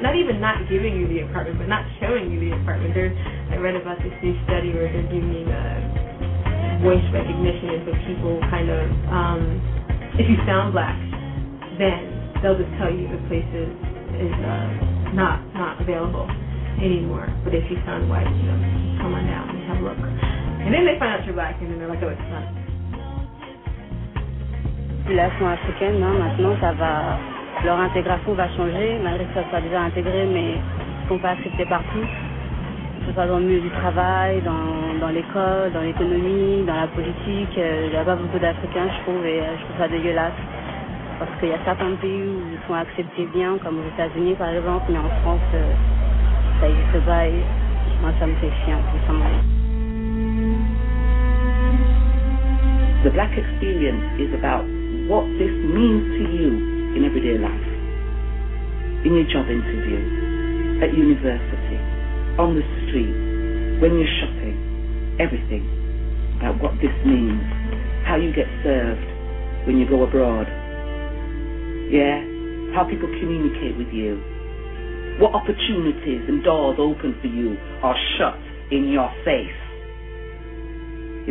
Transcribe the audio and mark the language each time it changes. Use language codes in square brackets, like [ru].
[en] Not even not giving you the apartment, but not showing you the apartment. There's, I read about this new study where they're doing voice recognition, and so people kind of, if you sound black, then they'll just tell you the place is not available anymore. But if you sound white, you know, come on down and have a look. And then they find out you're black, and then they're like, oh, it's not. [fr] L'Afro africaine, non, maintenant ça va. Leur intégration va changer, malgré que ça soit déjà intégré, mais ils sont pas acceptés partout. Que ce soit dans le milieu du travail, dans l'école, dans l'économie, dans la politique. Il n'y a pas beaucoup d'Africains, je trouve, et je trouve ça dégueulasse. Parce qu'il y a certains pays où ils sont acceptés bien, comme aux États-Unis par exemple, mais en France, ça n'existe pas et moi ça me fait chier, tout simplement. [en] The black experience is about what this means to you in everyday life, in your job interview, at university, on the street, when you're shopping, everything about what this means, how you get served when you go abroad, yeah, how people communicate with you, what opportunities and doors open for you are shut in your face.